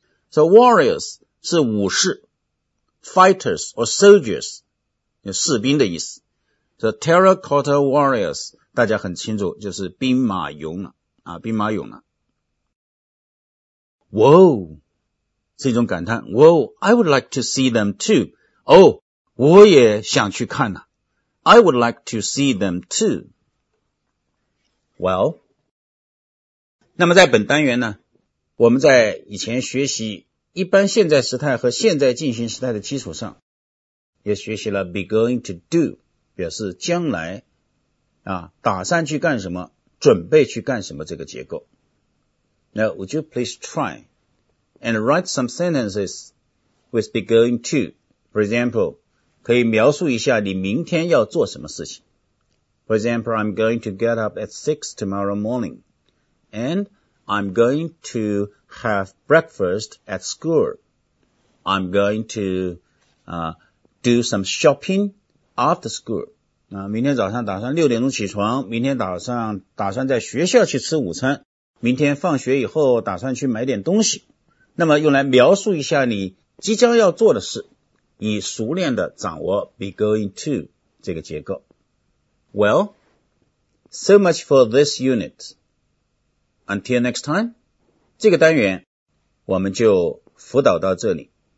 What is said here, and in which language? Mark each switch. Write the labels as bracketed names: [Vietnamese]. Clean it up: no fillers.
[English] So warriors [Chinese] 是武士， [English] fighters or soldiers [Chinese] 就士兵的意思。 [English] So terracotta warriors [Chinese] 大家很清楚，就是兵马俑了兵马俑了。 Whoa 是一种感叹。 [English] Well, I would like to see them too. [Chinese] 哦，我也想去看呢。 [English] I would like to see them too. Well, [Chinese] 那么在本单元呢，我们在以前学习一般现在时态和现在进行时态的基础上，也学习了 be going to do， 表示将来啊，打算去干什么，准备去干什么这个结构。 [English] Now, would you please try and write some sentences with be going to? For example, [Chinese] 可以描述一下你明天要做什么事情。 [English] For example, I'm going to get up at 6 tomorrow morning, and I'm going to have breakfast at school. I'm going to do some shopping after school. [Chinese] 明天早上打算6点钟起床，明天打算在学校去吃午餐。明天放学以后打算去买点东西，那么用来描述一下你即将要做的事，以熟练的掌握 be going to 这个结构。 [English] Well, so much for this unit. Until next time, [Chinese] 这个单元我们就辅导到这里。